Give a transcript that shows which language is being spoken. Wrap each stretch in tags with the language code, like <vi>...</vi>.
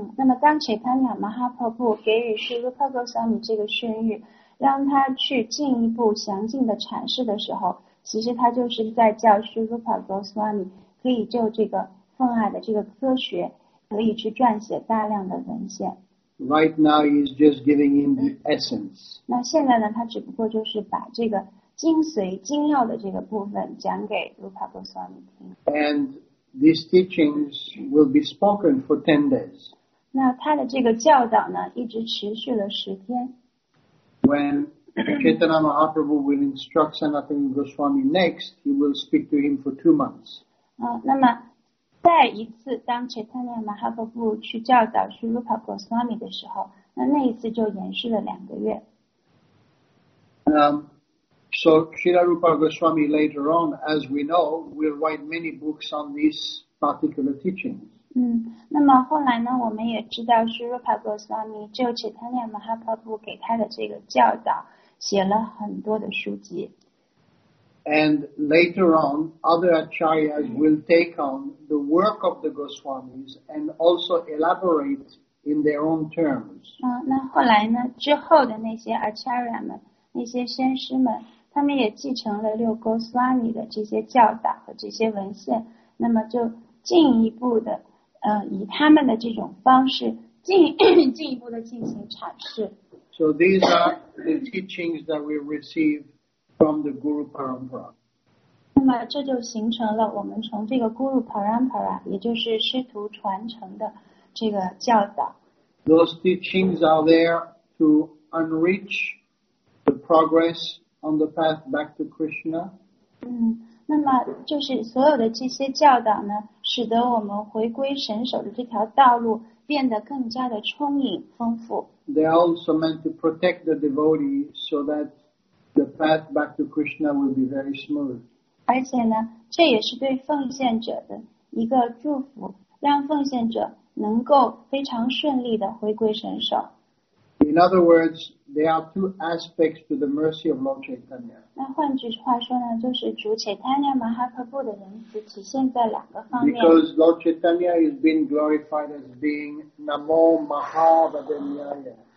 <zh>那么当 Chaitanya Mahaprabhu 给予 Sri Rupa Goswami 这个训谕，让他去进一步详尽的阐释的时候，其实他就是在叫 Sri Rupa Goswami 可以就这个奉爱的这个科学，可以去撰写大量的文献。</zh> <en>Right now, he's just giving him the essence.</en> <zh>那现在呢，他只不过就是把这个精髓、精要的这个部分讲给 Rupa Goswami 听。</zh> <en>And these teachings will be spoken for 10 days.</en> <zh>那他的这个教导呢，一直持续了十天。</zh> <en>When Chaitanya Mahaprabhu will instruct Sanatana Goswami next, he will speak to him for 2 months.</en> <zh>那么。再一次当 Chaitanya Mahaprabhu 去教导 Sri Rupa Goswami 的时候，那那一次就延续了两个月。</zh> <en>So Srila Rupa Goswami later on, as we know, will write many books on these particular teachings.</en> <zh>那么后来呢，我们也知道 Sri Rupa Goswami 就 Chaitanya Mahaprabhu 给他的这个教导写了很多的书籍。</zh> <en>And later on, other acharyas will take on the work of the Goswamis and also elaborate in their own terms.</en> <zh>那后来呢？之后的那些 acharya 们，那些先师们，他们也继承了六沟斯瓦米的这些教导和这些文献，那么就进一步的以他们的这种方式进一步的进行阐释。</zh> <en>So these are the teachings that we receive from the Guru Parampara.</en> <zh>那么这就形成了我们从这个 Guru Parampara 也就是师徒传承的这个教导。</zh> <en>Those teachings are there to enrich the progress on the path back to Krishna.</en> <zh>那么就是所有的这些教导呢，使得我们回归神守的这条道路变得更加的充盈丰富。</zh> <en>They are also meant to protect the devotee so that the path back to Krishna will be very smooth.</en> <zh>而且呢，这也是对奉献者的一个祝福，让奉献者能够非常顺利的回归神守。</zh> <en>In other words, there are two aspects to the mercy of Lord Chaitanya.</en> <zh>那换句话说呢，就是主 Chaitanya Mahaprabhu 的仁慈体现在两个方面。</zh> <en>Because Lord Chaitanya is being glorified as being Namo Mahavadanyaya.</en>